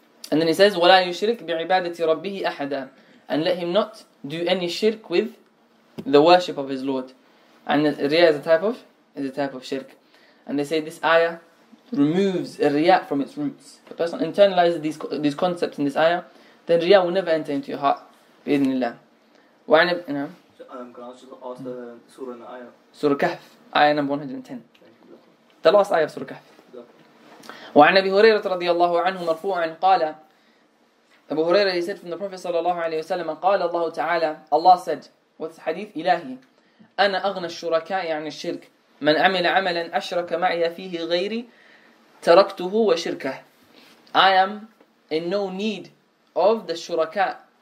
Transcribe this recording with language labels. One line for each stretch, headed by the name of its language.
English: And then he says,
Arabic: وَلَا يُشْرِكْ بِعِبَادَةِ رَبِّهِ أَحَدًا.
English: And let him not do any shirk with the worship of his Lord. And riya is a type of shirk. And they say this ayah removes riya from its roots. The person internalizes these concepts in this ayah, then riya will never enter into your heart. Bi-idhnillah. Can I also ask the surah and the ayah? Surah Kahf, ayah number 110. The last ayah of Surah Kahf.
Arabic: وعن أبي هريرة رضي الله عنه مرفوعا قال أبو هريرة,
English: he said from the Prophet
Arabic: صلى الله عليه وسلم, قال الله تعالى,
English: Allah said, what's the hadith?
Arabic: إلهي أنا أغنى الشركاء عن الشرك من عمل عملا أشرك معي فيه غيري تركته وشركه.
English: I am in no need of the شركاء.